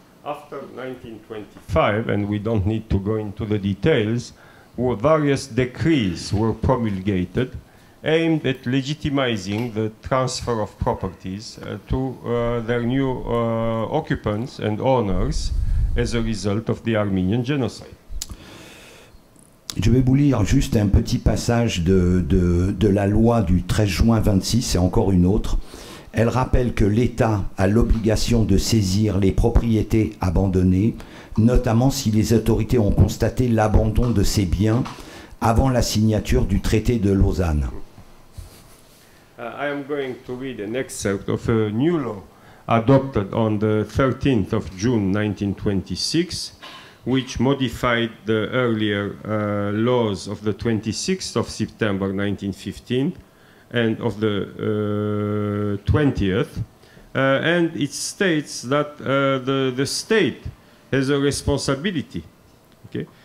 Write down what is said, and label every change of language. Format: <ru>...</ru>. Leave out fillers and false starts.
<en>After 1925, and we don't need to go into the details, various decrees were promulgated aimed at legitimizing the transfer of properties to their new occupants and owners as a result of the Armenian genocide.</en> <fr>Je vais vous lire juste un petit passage de la loi du 13 juin 26, c'est encore une autre. Elle rappelle que l'État a l'obligation de saisir les propriétés abandonnées, notamment si les autorités ont constaté l'abandon de ces biens avant la signature du traité de Lausanne.</fr> <en>I am going to read an excerpt of a new law adopted on the 13th of June 1926, which modified the earlier laws of the 26th of September 1915 and of the 20th, and it states that the state has a responsibility, okay,</en>